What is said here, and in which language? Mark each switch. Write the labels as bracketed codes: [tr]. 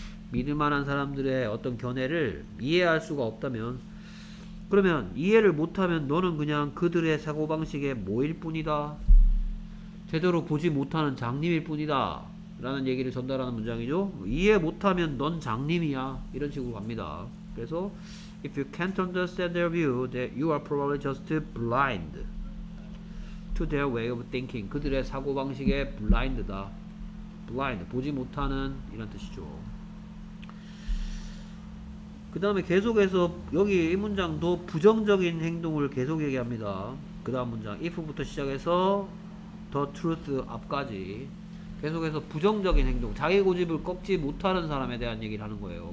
[ko] 믿을만한 사람들의 어떤 견해를 이해할 수가 없다면 그러면 이해를 못하면 너는 그냥 그들의 사고방식에 모일 뿐이다. 제대로 보지 못하는 장님일 뿐이다. 라는 얘기를 전달하는 문장이죠. 이해 못하면 넌 장님이야. 이런 식으로 갑니다. 그래서 [en] if you can't understand their view, then you are probably just blind to their way of thinking. [ko] 그들의 사고방식에 블라인드다. blind, 보지 못하는 이런 뜻이죠. 그 다음에 계속해서 여기 이 문장도 부정적인 행동을 계속 얘기합니다. 그 다음 문장, if부터 시작해서 the truth 앞까지 계속해서 부정적인 행동, 자기 고집을 꺾지 못하는 사람에 대한 얘기를 하는 거예요.